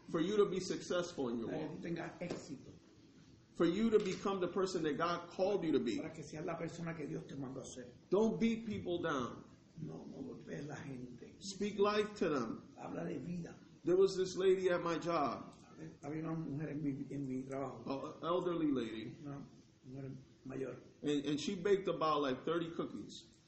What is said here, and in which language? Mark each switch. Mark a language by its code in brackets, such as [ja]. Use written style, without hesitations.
[en] for you to be successful in your [es] para [en] world. [es] Que tenga éxito. [en] For you to become the person that God called you to be. [es] Para que seas la persona que Dios te mandó a ser. [en] Don't beat people down. [es] No golpees la gente. [en] Speak life to them. [es] Habla de vida. [en] There was this lady at my job. [es] Había una mujer en mi trabajo. [en] An elderly lady. [es] Una mujer mayor. [en] And she baked about like 30 cookies.